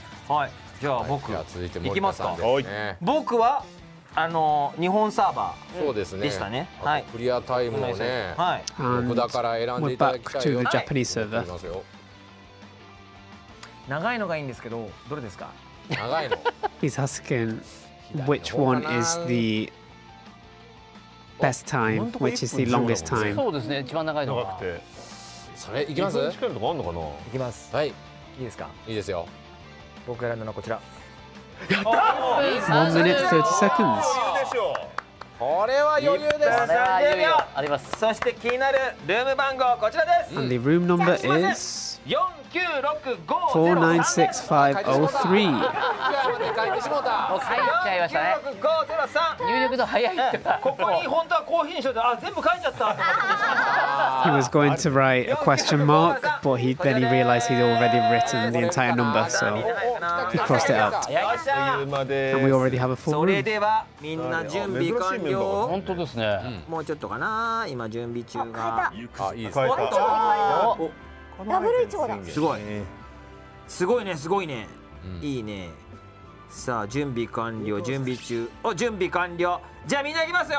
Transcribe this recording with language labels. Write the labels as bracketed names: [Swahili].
[Japanese] はい、じゃあ僕、はい、続いて森田さんですね。僕は日本サーバーでしたね。はい、クリアタイムをね、はい、僕だから選んでいただきたいよ。はい、行きますよ。長いのがいいんですけど、どれですか。長いの。 [English] He's asking which one is the best time, which is the longest time。 [Japanese] そうですね、一番長いのが。長くて。それ行きます。 1分近いのとかあるのかな。行きます。はい。いいですか。いいですよ。僕選んだのはこちら。やったー。 [English] 1 minute 30 seconds。 [Japanese] 余裕でしょ。これは余裕です。これは余裕あります。そして気になるルーム番号こちらです。 [English] And the room number is 496503。 [Japanese] もう書いてしまった。入力の早いってか。ここに本当はコーヒーにしようって。あ、全部書いちゃった。 [English] He was going to write a question mark, but then he realized he'd already written the entire number, so he crossed it out. And we already have a full room. [Japanese] それではみんな準備完了。本当ですね。もうちょっとかな。今準備中が。あ、いいです。ダブルイチゴだ。すごいすごいね、すごいね、うん、いいね。さあ準備完了、準備中。お、準備完了。じゃあみんな行きますよ。